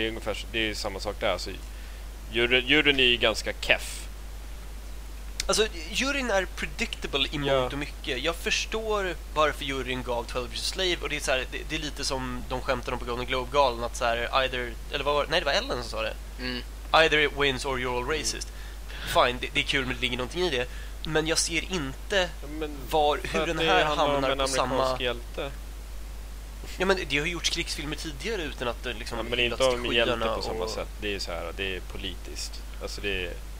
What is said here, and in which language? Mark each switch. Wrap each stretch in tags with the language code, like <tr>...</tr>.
<sv>Alltså det är samma sak där. Alltså, juryn är ju ganska keff. Alltså juryn är predictable i mångt och mycket. Jag förstår varför juryn gav 12 Years a Slave. Och det är så här, det är lite som de skämtade om på Golden Globe-galen. Att så här, det var Ellen som sa det.</sv> <en>Either it wins or you're all racist.</en> <sv>Fine, det är kul, men det ligger någonting i det. Men jag ser inte hur den här hamnar på samma... Hjälte. Ja, men det har gjorts krigsfilmer tidigare utan att det liksom... Ja, men inte om hjälte på samma sätt. Det är så här, det är politiskt. Alltså, det är...</sv>